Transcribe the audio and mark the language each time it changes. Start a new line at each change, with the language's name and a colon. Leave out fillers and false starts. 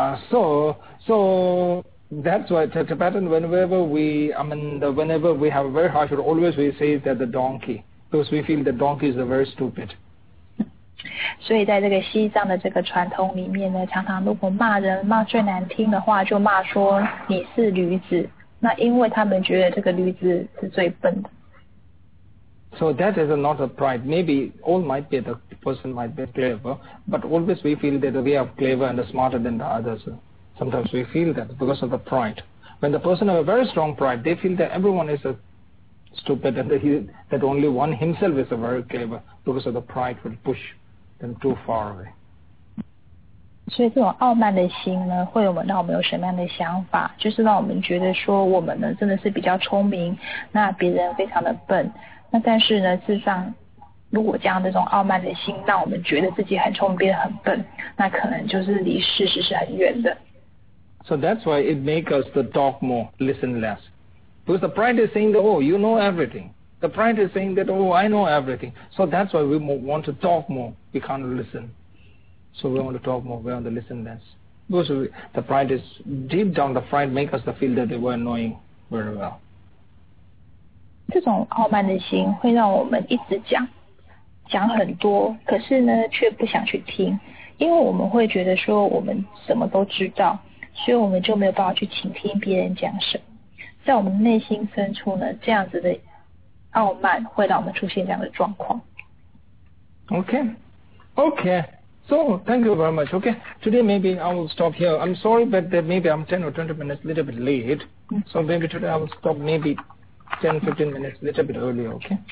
English: So that's why Tibetan, whenever we have a very harsh word, always we say that the donkey, because we feel the donkey is very stupid.
Chinese: 所以在这个西藏的这个传统里面呢，常常如果骂人骂最难听的话，就骂说你是驴子。那因为他们觉得这个驴子是最笨的。
English: So that is not a pride. Maybe all might be the person might be clever, but always we feel that we are clever and smarter than the others. Sometimes we feel that because of the pride. When the person have a very strong pride, they feel that everyone is a stupid and that only one himself is a very clever because of the pride will push them too far away.
Chinese: 所以这种傲慢的心呢，会有让我们有什么样的想法？就是让我们觉得说我们呢真的是比较聪明，那别人非常的笨。那但是呢，事实上，如果这样这种傲慢的心，让我们觉得自己很聪明，变得很笨，那可能就是离事实是很远的。
English: So that's why it makes us to talk more, listen less. Because the pride is saying that, oh, you know everything. The pride is saying that, oh, I know everything. So that's why we want to talk more. We can't listen. So we want to talk more, we want to listen less. Because the pride is, deep down the pride make us feel that they were knowing very well.
Chinese: 这种傲慢的心会让我们一直讲，讲很多，可是呢，却不想去听，因为我们会觉得说我们什么都知道，所以我们就没有办法去倾听别人讲什么。在我们内心深处呢，这样子的傲慢会让我们出现这样的状况。
English: Okay. So, thank you very much. Okay, today maybe I will stop here. I'm sorry, but that maybe I'm 10 or 20 minutes a little bit late. So maybe today I will stop maybe 10, 15 minutes a little bit earlier, okay?